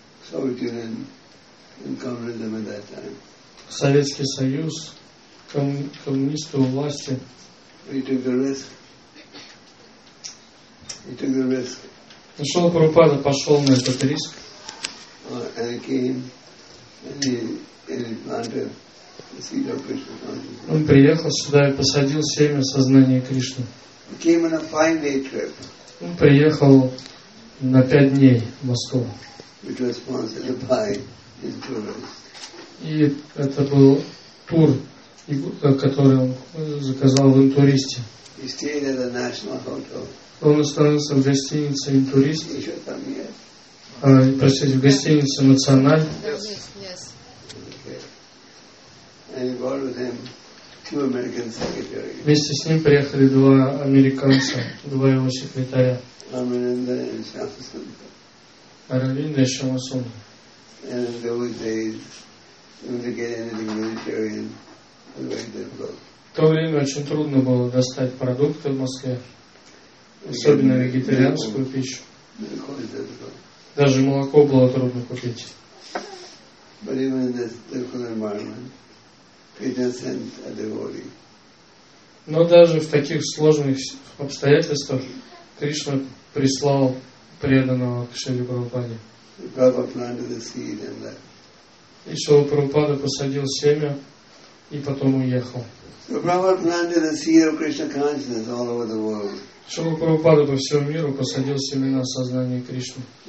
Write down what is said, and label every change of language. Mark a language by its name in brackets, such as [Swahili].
[Russian] Советский Союз, коммунисты у власти. Шрила Прабхупада пошел на этот риск. [English] And he came and he planted the seed of Krishna consciousness. [Russian] Он приехал сюда и посадил семя сознания Кришны. [English] He came on a 5-day trip. [Russian] Он приехал на 5 дней в Москву. [English] Which was sponsored by his tourists. [Russian] И это был тур, который он заказал в Интуристе. [English] He stayed at a national hotel. [Russian] Он остановился в гостинице Интурист. Еще там нет. Простите, в гостинице «Националь». [English] Yes. Okay. And he brought with him Two American secretaries. [Russian] Вместе с ним приехали два американца, два его секретаря. Аминенда и Шамасун. В то время очень трудно было достать продукты в Москве, особенно вегетарианскую пищу. Даже молоко было трудно купить. [English] But even in this difficult environment, Krishna sent a devotee. [Russian] Но даже в таких сложных обстоятельствах Кришна прислал преданного к Шриле Прабхупаде. [English] Prabhupada planted the seed and left. [Russian] И Шрила Прабхупада посадил семя и потом уехал. [English] So Prabhupada planted the seed of Krishna consciousness all over the world. [Russian] Шрила Прабхупада по всему миру посадил семена сознания Кришны.